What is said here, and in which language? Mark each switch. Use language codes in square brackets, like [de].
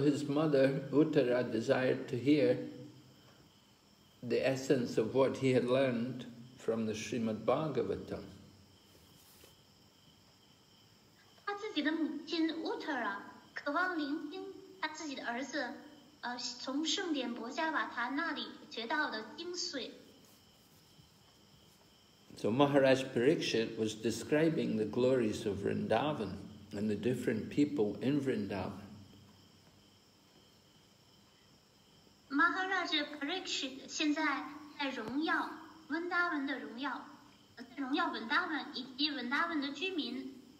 [en] his mother, Uttara, desired to hear the essence of what he had learned from the Srimad Bhagavatam. [zh] 自己的母亲乌特拉渴望聆听他自己的儿子从圣典伯伽瓦塔那里学到的精髓。 [en] So Maharaj Parikshit was describing the glories of Vrindavan and the different people in Vrindavan. [zh] Maharaj Parikshit 现在在荣耀温达文的荣耀温达文以及温达文的居民。